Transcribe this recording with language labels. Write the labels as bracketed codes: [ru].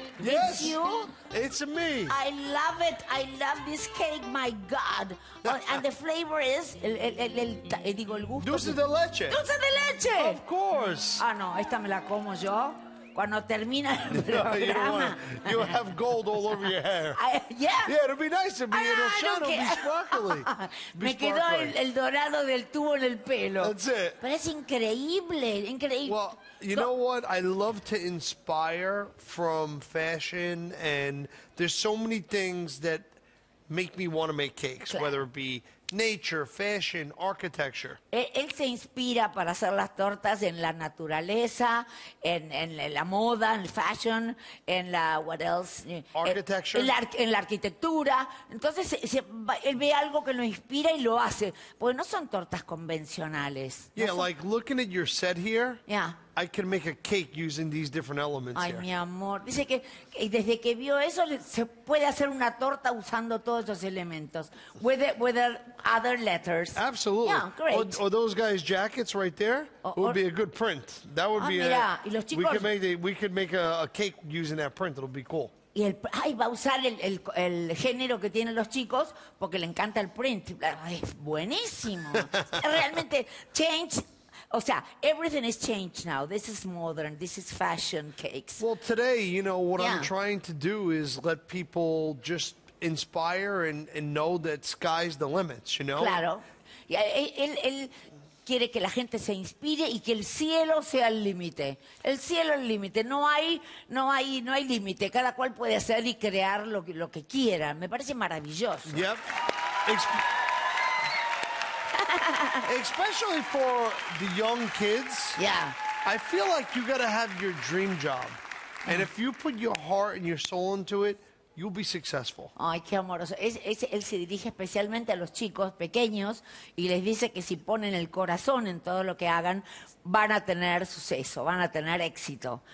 [en] yes. It's you. It's me. I love it. I love this cake, my God. And the flavor is... Dulce de leche. Dulce de leche. Of course. [es] Ah, no, esta me la como yo. Cuando termina el programa. [en] You have gold all over your hair. Yeah, it'll be nice. It'll shine. It'll be sparkly. [es] Me quedó el dorado del tubo en el pelo. [en] That's it. [es] Pero es increíble, increíble. [en] Well, you know what? I love to inspire from fashion, and there's so many things that make me want to make cakes, whether it be nature, fashion, architecture. [es] Él se inspira para hacer las tortas en la naturaleza, en la moda, en el fashion, en la, [en] what else? Architecture. [es] En la arquitectura. Entonces, él ve algo que lo inspira y lo hace. Porque no son tortas convencionales. [en] Yeah, [es] no son... [en] like looking at your set here. Yeah. I can make a cake using these different elements. [es] Ay, [en] here. [es] Mi amor. Dice que desde que vio eso, se puede hacer una torta usando todos esos elementos. [en] With other letters. Absolutely. Yeah, great. Or those guys' jackets right there, it would be a good print. That would be [es] mira, y los chicos, [en] we could make a cake using that print. It'll be cool. [es] Y el, ay, va a usar el género que tienen los chicos porque le encanta el print. Es buenísimo. Realmente, change... O sea, [en] everything has changed now. This is modern. This is fashion cakes. Well, today, you know, what I'm trying to do is let people just inspire and know that sky's the limits, you know? [es] Claro. Él quiere que la gente se inspire y que el cielo sea el límite. El cielo es el límite. No hay límite. Cada cual puede hacer y crear lo que quiera. Me parece maravilloso. [en] Yep. Especially for the young kids. Yeah. I feel like you got to have your dream job. And if you put your heart and your soul into it, You'll be successful. [es] Ay, qué amoroso. Él se dirige especialmente a los chicos pequeños y les dice que si ponen el corazón en todo lo que hagan, van a tener suceso, van a tener éxito.